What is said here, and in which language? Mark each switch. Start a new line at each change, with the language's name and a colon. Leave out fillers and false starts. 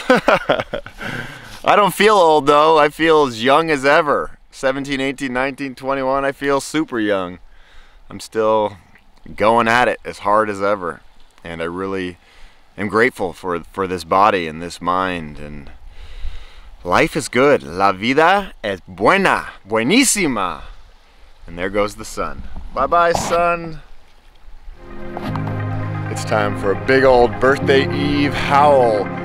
English: I don't feel old though. I feel as young as ever. 17, 18, 19, 21, I feel super young. I'm still going at it as hard as ever. And I really am grateful for this body and this mind. And life is good.
Spanish: La vida es buena, buenísima.
English: And there goes the sun. Bye-bye, sun. It's time for a big old birthday eve howl.